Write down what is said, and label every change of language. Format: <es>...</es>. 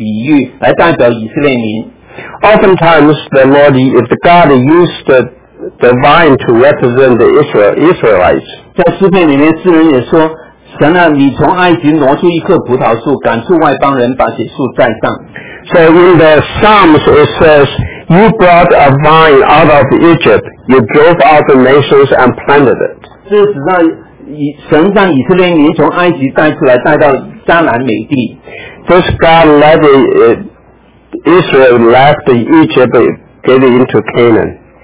<zh>因为在旧约圣经里面多次用葡萄树来比喻，来代表以色列民。</zh> <en>Oftentimes the Lord, if the God used the vine to represent the Israelites.</en> <zh>在诗篇里面，诗人也说：“神啊，你从埃及挪出一棵葡萄树，赶出外邦人，把血树栽上。”</zh> <en>So in the Psalms it says, "You brought a vine out of Egypt; you drove out the nations and planted it."</en> <zh>这是指让神让以色列民从埃及带出来，带到迦南美地。</zh> <en>This God led the Israel left the Egypt, gave it into Canaan.</en>